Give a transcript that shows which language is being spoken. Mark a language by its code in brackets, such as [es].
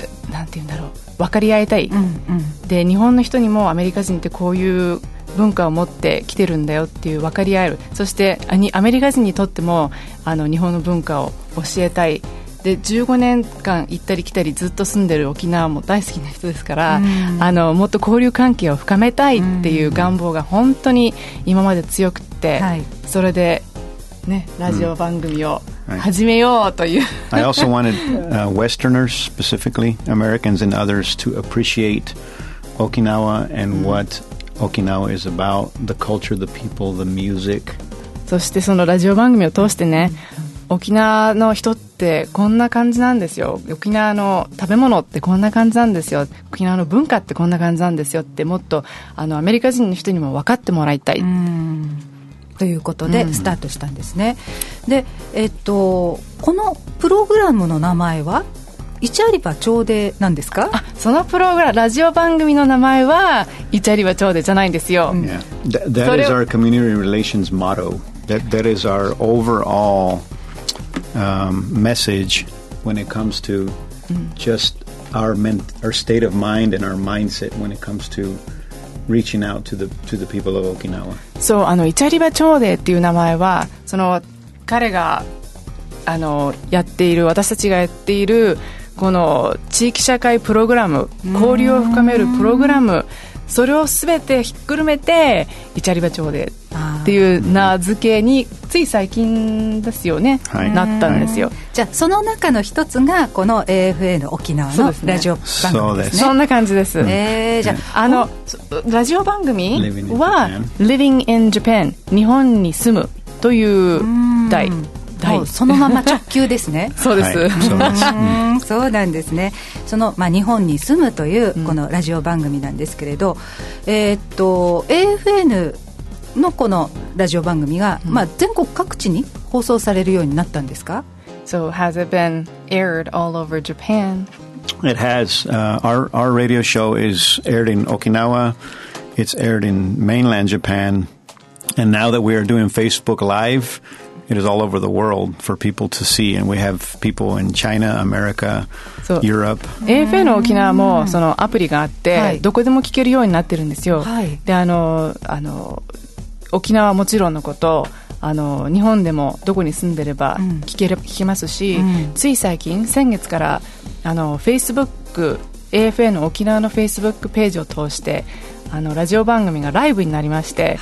[ja] なんて言うんだろう、分かり合いたい、で日本の人にもアメリカ人ってこういう文化を持ってきてるんだよっていう分かり合える、そしてアメリカ人にとっても日本の文化を教えたい、で15年間行ったり来たりずっと住んでる沖縄も大好きな人ですから、もっと交流関係を深めたいっていう願望が本当に今まで強くて、それで、ね、ラジオ番組を始めようという、 [en] I also wanted Westerners, specifically Americans and others, to appreciate Okinawa and what Okinawa is about, the culture, the people, the music. [ja] そしてそのラジオ番組を通してね、沖縄の人ってこんな感じなんですよ、沖縄の食べ物ってこんな感じなんですよ、沖縄の文化ってこんな感じなんですよって、もっとアメリカ人の人にも分かってもらいたい、ということでスタートしたんですね。で、このプログラムの名前は一ありば朝礼なんですか？あ、そのプログラム、ラジオ番組の名前は一ありば朝礼じゃないんですよ。 [en] That is our community relations motto. That is our overall message when it comes to just our state of mind and our mindset when it comes to reaching out to the people of Okinawa. [ja] So, あのイチャリバチョーデっていう名前は、その彼が、あのやっている、私たちがやっているこの地域社会プログラム、交流を深めるプログラム、それをすべてひっくるめてイチャリバチョーデっていう名付けについ最近ですよね、はい、なったんですよ。じゃあその中の一つがこの AFA の沖縄のラジオ番組ですね。そうです。そんな感じです、うん、じゃあ、あのラジオ番組は Living in Japan、 日本に住むという題、そのまま直球ですねそうです、はい、そうなんですね。その、まあ、日本に住むというこのラジオ番組なんですけれど、うん、AFN のこのラジオ番組が、うん、まあ、全国各地に放送されるようになったんですか？ [en] So has it been aired all over Japan? It has. Our radio show is aired in Okinawa. It's aired in mainland Japan. And now that we are doing Facebook Live,It is all over the world for people to see, and we have people in China, America, Europe. [ja] AFA の沖縄もそのアプリがあって、はい、どこでも聞けるようになってるんですよ。はい、で、あの沖縄はもちろんのこと、あの日本でもどこに住んでれば聞けますし、うん、つい最近先月からあの Facebook AFA の沖縄の Facebook ページを通して、あのラジオ番組がライブになりまして、